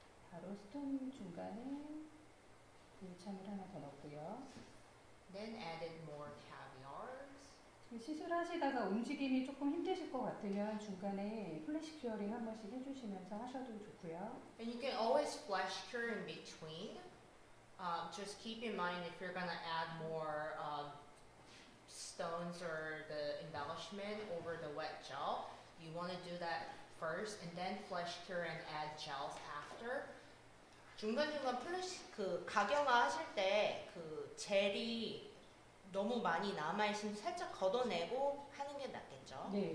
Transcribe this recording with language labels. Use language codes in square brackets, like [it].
[ko] 바로 스톤 중간에 물참을 하나 더 넣고요. [en] Then added more caviars. [ko] 시술하시다가 움직임이 조금 힘드실 것 같으면 중간에 플래시 큐어링 한 번씩 해주시면서 하셔도 좋고요. [en] And you can always flash cure in between. Just keep in mind if you're gonna add more stones or the embellishment over the wet gel, you want to do that first and then flash cure and add gels after. [ko] 중간중간 플래시 그 가경화 하실 때 그 젤이 너무 많이 남아 있으면 살짝 걷어내고 하는 게 낫겠죠?